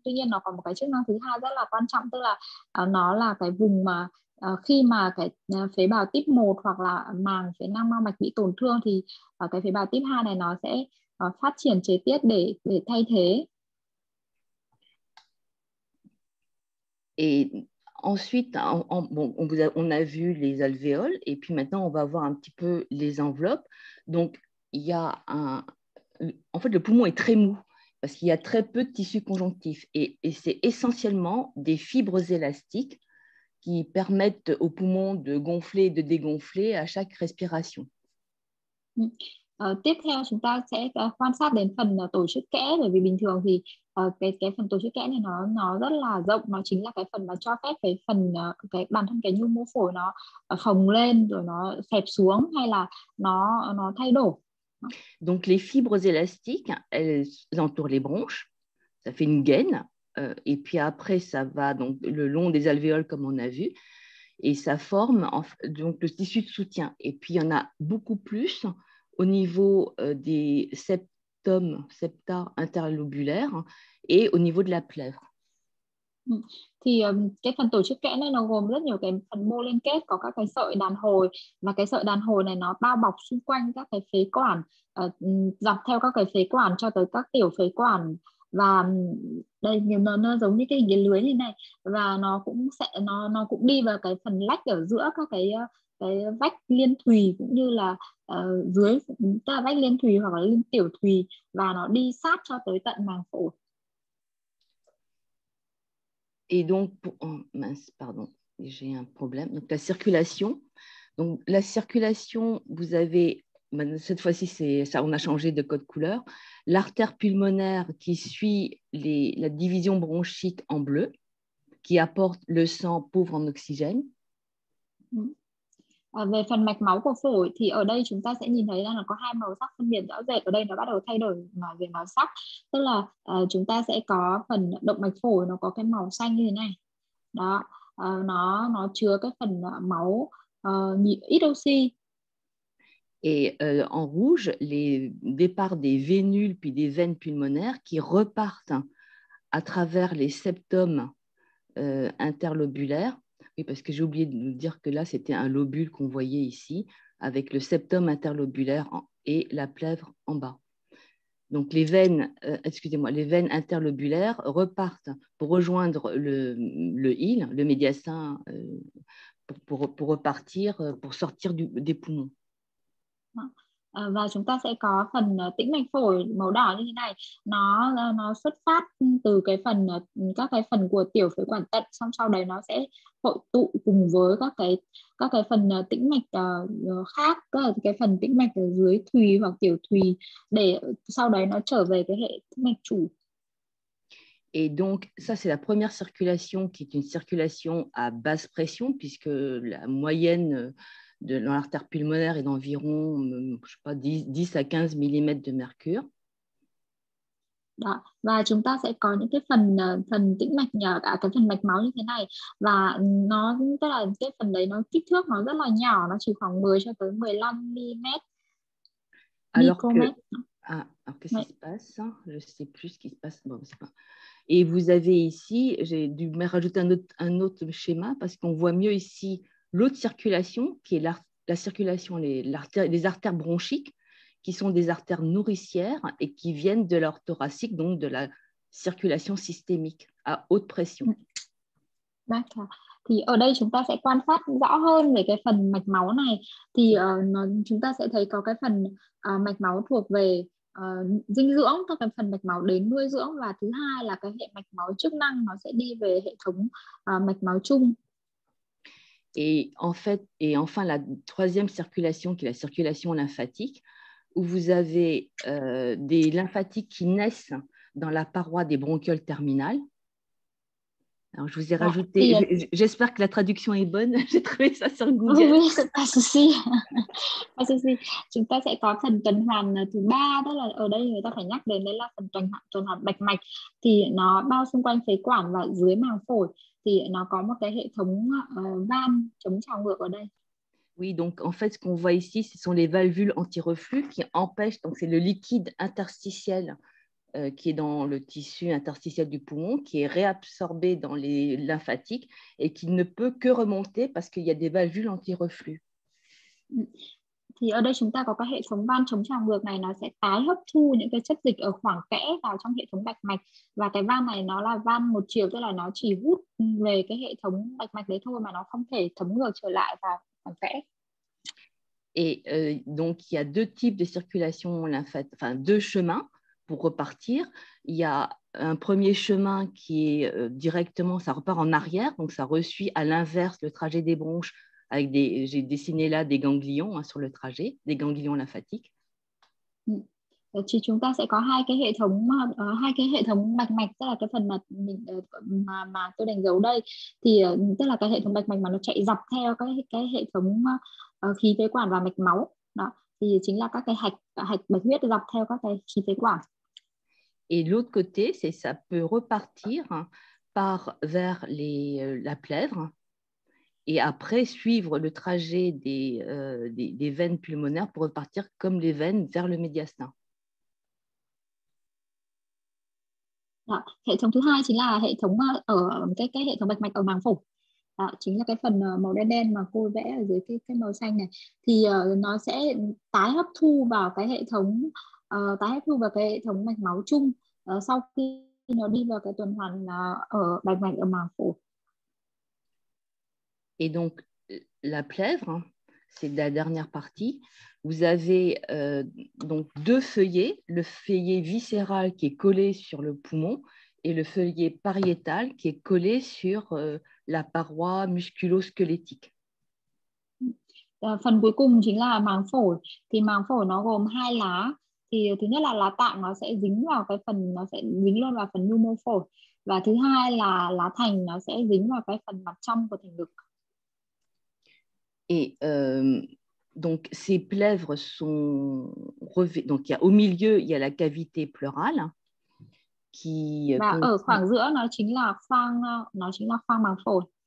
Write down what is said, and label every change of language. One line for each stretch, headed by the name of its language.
Vietnamese: Tuy nhiên nó có một cái chức năng thứ hai rất là quan trọng, tức là nó là cái vùng mà khi mà cái phế bào type 1 hoặc là màng phế nang mao mạch bị tổn thương thì cái phế bào type 2 này nó sẽ phát triển chế tiết để thay thế.
French: Et ensuite, on a vu les alvéoles, et puis maintenant, on va voir un petit peu les enveloppes. Donc, il y a en fait, le poumon est très mou parce qu'il y a très peu de tissu conjonctif. Et c'est essentiellement des fibres élastiques qui permettent au poumon de gonfler et de dégonfler à chaque respiration.
Vietnamese: Tiếp theo chúng ta sẽ quan sát đến phần tổ chức kẽ, bởi vì bình thường thì cái phần tổ chức kẽ này nó rất là rộng, nó chính là cái phần mà cho phép cái bản thân cái nhu mô phổi nó phồng lên rồi nó xẹp xuống hay là nó thay đổi.
French: Donc les fibres élastiques, elles entourent les bronches, ça fait une gaine, et puis après ça va donc le long des alvéoles comme on a vu, et ça forme donc le tissu de soutien. Et puis il y en a beaucoup plus au niveau des septums, septa interlobulaires, et au niveau de la plèvre.
Vietnamese: Thì cái phần tổ chức kẽ này nó gồm rất nhiều cái phần mô liên kết, có các cái sợi đàn hồi, và cái sợi đàn hồi này nó bao bọc xung quanh các cái phế quản, dọc theo các cái phế quản cho tới các tiểu phế quản, và đây nó giống như cái hình cái lưới như này, và nó cũng đi vào cái phần lách ở giữa các cái vách liên thùy, cũng như là dưới ta vách liên thùy hoặc là liên tiểu thùy, và nó đi sát cho tới tận màng phổi.
French: Et donc, oh mince, pardon, j'ai un problème. Donc, la circulation. Donc, la circulation, vous avez, cette fois-ci, c'est ça, on a changé de code couleur. L'artère pulmonaire qui suit la division bronchique en bleu, qui apporte le sang pauvre en oxygène.
Vietnamese: À, về phần mạch máu của phổi thì ở đây chúng ta sẽ nhìn thấy là có hai màu sắc phân biệt rõ rệt. Ở đây nó bắt đầu thay đổi mà về màu sắc, tức là chúng ta sẽ có phần động mạch phổi nó có cái màu xanh như thế này đó, nó chứa cái phần máu ít oxy.
French: Et en rouge, les départs des vénules puis des veines pulmonaires qui repartent à travers les septums interlobulaires. Oui, parce que j'ai oublié de nous dire que là, c'était un lobule qu'on voyait ici, avec le septum interlobulaire et la plèvre en bas. Donc les veines interlobulaires repartent pour rejoindre le hile, le médiastin, pour repartir, pour sortir des poumons.
Vietnamese: Và chúng ta sẽ có phần tĩnh mạch phổi màu đỏ như thế này, nó xuất phát từ các cái phần của tiểu phế quản tận, xong sau đấy nó sẽ hội tụ cùng với các cái phần tĩnh mạch khác, tức là cái phần tĩnh mạch ở dưới thùy hoặc tiểu thùy, để sau đấy nó trở về cái hệ tĩnh mạch chủ.
French: Et donc, ça, c'est la première circulation qui est une circulation à basse pression, puisque la moyenne dans l'artère pulmonaire est d'environ, je sais pas, 10 à 15 mm de mercure.
Vietnamese: Đó. Và chúng ta sẽ có những cái phần phần tĩnh mạch nhỏ, cả cái phần mạch máu như thế này, và nó tức là cái phần đấy nó kích thước nó rất là nhỏ, nó chỉ khoảng 10 cho tới 15
French: Alors que. Ah, alors qu'est-ce qui se passe? Je ne sais plus ce qui se passe. Bon, c'est pas. Et vous avez ici, j'ai dû me rajouter un autre schéma parce qu'on voit mieux ici l'autre circulation, qui est la circulation, les artères bronchiques, qui sont des artères nourricières et qui viennent de l'aorte thoracique, donc de la circulation systémique à haute pression. D'accord.
Vietnamese: Thì ở đây chúng ta sẽ quan sát rõ hơn về cái phần mạch máu này, thì chúng ta sẽ thấy có cái phần mạch máu thuộc về dinh dưỡng, có cái phần mạch máu đến nuôi dưỡng, và thứ hai là cái hệ mạch máu chức năng nó sẽ đi về hệ thống mạch máu chung.
French: Et enfin, la troisième circulation, qui est la circulation lymphatique, où vous avez des lymphatiques qui naissent dans la paroi des bronchioles terminales. Alors, je vous ai rajouté, j'espère que la traduction est bonne. J'ai trouvé ça sur Google. Oui, pas de souci. Pas de souci.
Vietnamese: Chúng ta sẽ có phần tuần hoàn thứ ba, tức là ở đây người ta phải nhắc đến đấy là phần tuần hoàn bạch mạch. Thì nó bao xung quanh phế quản và dưới màng phổi. Thì nó có một cái hệ thống van chống trào ngược ở đây.
French: Oui, donc en fait, ce qu'on voit ici, ce sont les valvules anti-reflux qui empêchent, donc c'est le liquide interstitiel qui est dans le tissu interstitiel du poumon, qui est réabsorbé dans les lymphatiques et qui ne peut que remonter parce qu'il y a des valvules anti-reflux.
Vietnamese: Thì ở đây chúng ta có cái hệ thống van chống trào ngược này, nó sẽ tái hấp thu những cái chất dịch ở khoảng kẽ vào trong hệ thống bạch mạch. Và cái van này nó là van một chiều, tức là nó chỉ hút về cái hệ thống bạch mạch đấy thôi mà nó không thể thấm ngược trở lại vào khoảng kẽ.
French: Et donc il y a deux types de circulation lymphatique, enfin deux chemins pour repartir. Il y a un premier chemin qui est directement, ça repart en arrière, donc ça reçoit à l'inverse le trajet des bronches avec des, j'ai dessiné là des ganglions hein, sur le trajet, des ganglions lymphatiques.
Vietnamese: Thì chúng ta sẽ có hai cái hệ thống bạch mạch, tức là cái phần mà tôi đánh dấu đây, thì tức là cái hệ thống bạch mạch mà nó chạy dọc theo cái hệ thống khí phế quản và mạch máu đó, thì chính là các cái hạch bạch huyết dọc theo các cái khí phế quản.
French: Et l'autre côté, c'est ça peut repartir par vers les la plèvre et après suivre le trajet des veines pulmonaires pour repartir comme les veines vers le médiastin.
Vietnamese: Đó, hệ thống thứ hai chính là hệ thống ở cái hệ thống bạch mạch ở màng phổi. Đó, chính là cái phần màu đen đen mà cô vẽ ở dưới cái màu xanh này, thì nó sẽ tái hấp thu vào cái hệ thống mạch máu chung sau khi nó đi vào cái tuần hoàn ở bạch mạch ở màng phổi.
French: Et donc la plèvre, c'est la dernière partie. Vous avez donc deux feuillets, le feuillet viscéral qui est collé sur le poumon et le feuillet pariétal qui est collé sur la paroi musculo-squelettique.
Vietnamese: Phần cuối cùng chính là màng phổi. Thì màng phổi nó gồm hai lá. Thì thứ nhất là lá tạng nó sẽ dính vào cái phần, nó sẽ dính luôn vào phần nhu mô phổi. Và thứ hai là lá thành nó sẽ dính vào cái phần mặt trong của thành ngực.
French: Et donc ces plèvres sont revêtues. Donc il y a au milieu il y a la cavité pleurale qui.
Vietnamese: Ở khoảng giữa nó chính là khoang màng phổi.